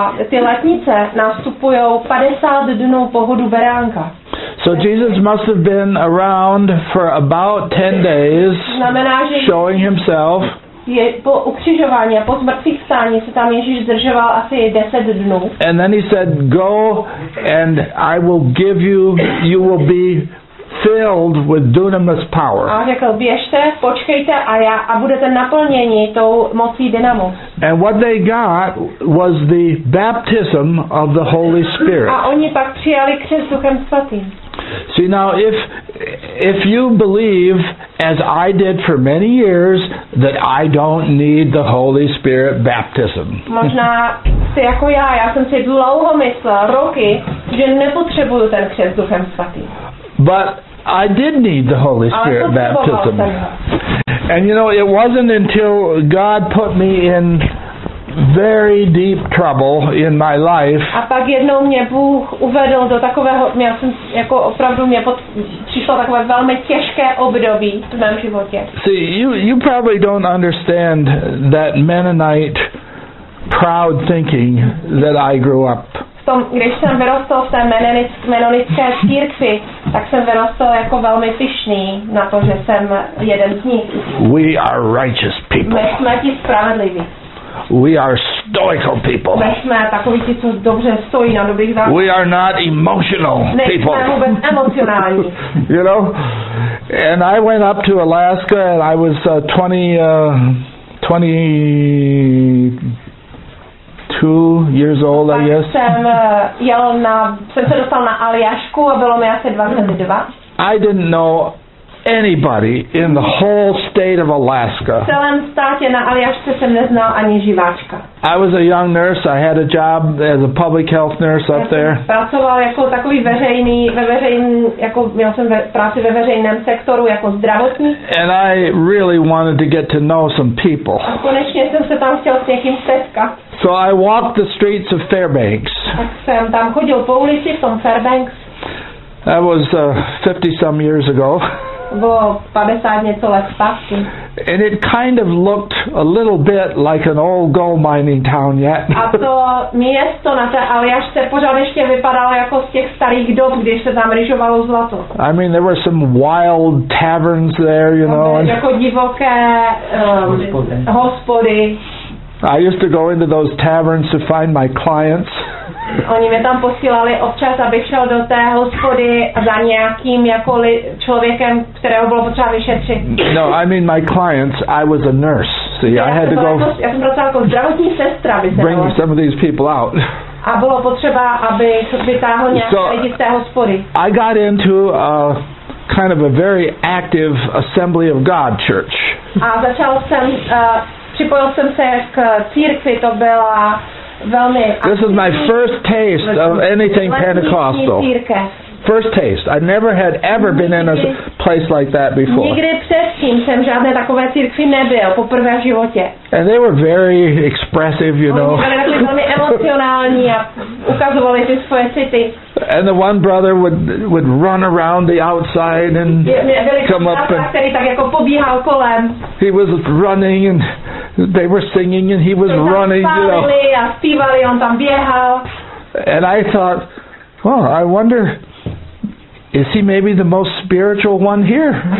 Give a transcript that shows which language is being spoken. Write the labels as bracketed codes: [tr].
[cs] Ty letnice nastupujou 50 dnů po hodu beránka. [en] So Jesus must have been around for about 10 days. [cs] Znamená, že [en] showing himself. [cs] Je po ukřižování, po zmrtvých stání se tam Ježíš zdržoval asi 10 dnů. [en] And then he said, go and I will give you, you will be filled with dunamis power. [cs] A řekl, běžte, počkejte a já a budete naplněni tou mocí dynamos. [en] And what they got was the baptism of the Holy Spirit. [cs] A oni pak přijali křest Duchem svatým. [en] See now, if you believe, as I did for many years, that I don't need the Holy Spirit baptism. [cs] Možná jste jako já jsem si dlouho myslel, roky, že nepotřebuju ten křest Duchem svatým. [en] But I did need the Holy Spirit baptism. And you know, it wasn't until God put me in very deep trouble in my life. [cs] A pak jednou mě Bůh uvedl do takového, měl jsem jako opravdu mě přišlo takové velmi těžké období v mém životě. [en] See, you probably don't understand that Mennonite proud thinking that I grew up. [cs] Když jsem vyrostl v té menonické církvi, tak jsem vyrostl jako velmi pyšný na to, že jsem jeden z nich. [en] We are righteous people. [cs] My jsme ti spravedliví. [en] We are stoical people. [cs] My jsme takový ti, co dobře stojí na dobrých základech. [en] We are not emotional people. [cs] Nejsme vůbec emocionální. [en] You know? And I went up to Alaska and I was 22 years old, I guess. [cs] Jsem jel na, jsem se dostal na Aljašku a bylo mi asi 22. [en] I didn't know anybody in the whole state of Alaska. [cs] V celém státě na Aljašce jsem neznal ani živáčka. [en] I was a young nurse. I had a job as a public health nurse up there. [cs] Pracoval jako takový veřejný, jako měl jsem práci ve veřejném sektoru jako zdravotník. [en] And I really wanted to get to know some people. [cs] A konečně jsem se tam chtěl s někým setkat. [en] So I walked the streets of Fairbanks. [cs] Tak jsem tam chodil po ulici v tom Fairbanks. [en] That was 50-some years ago. [cs] Bylo 50 něco let zpátky. [en] And it kind of looked a little bit like an old gold mining town yet. [cs] A to město na té Aljašce pořád ještě vypadalo jako z těch starých dob, když se tam ryžovalo zlato. [en] I mean, there were some wild taverns there, you know. [cs] Tam byly jako divoké hospody. [en] I used to go into those taverns to find my clients. [cs] Oni mě tam posílali občas, abych šel do té hospody za nějakým jako člověkem, kterého bylo potřeba vyšetřit. [en] No, I mean my clients, I was a nurse. See, I had to go. [cs] Já jsem pracoval jako zdravotní sestra, by se dalo. [en] Bring some of these people out. [cs] A bylo potřeba, aby vytáhl nějaké lidi z té hospody. [en] I got into kind of a very active Assembly of God church. [cs] A začal jsem připojil jsem se k církvi, to byla velmi. [en] This is my first taste of anything Pentecostal. First taste. I never had ever been in a place like that before. [cs] Nikdy předtím jsem žádné takové církvi nebyl poprvé v životě. [en] And they were very expressive, you know. [cs] Oni byli velmi emocionální a ukazovali ty svoje city. [en] And the one brother would run around the outside and come up and [cs] tak jako pobíhal kolem. [en] He was running and they were singing and he was running, you know. [cs] A zpívali, on tam běhal. [en] And I thought, well, I wonder, is he maybe the most spiritual one here?